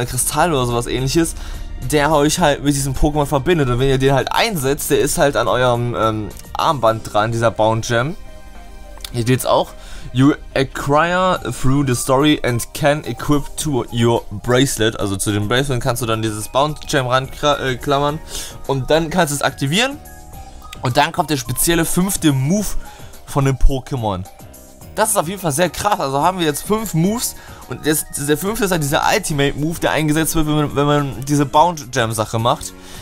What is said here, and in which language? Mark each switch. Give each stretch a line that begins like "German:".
German: ein Kristall oder sowas ähnliches, der euch halt mit diesem Pokémon verbindet. Und wenn ihr den halt einsetzt, der ist halt an eurem Armband dran, dieser Bound-Gem. Hier steht's auch.
English: You acquire through the story and can equip to your bracelet.
German: Also zu dem Bracelet kannst du dann dieses Bound Gem ranklammern und dann kannst du es aktivieren. Und dann kommt der spezielle fünfte Move von dem Pokémon. Das ist auf jeden Fall sehr krass. Also haben wir jetzt fünf Moves und der fünfte ist halt dieser Ultimate Move, der eingesetzt wird, wenn man diese Bound Gem Sache macht.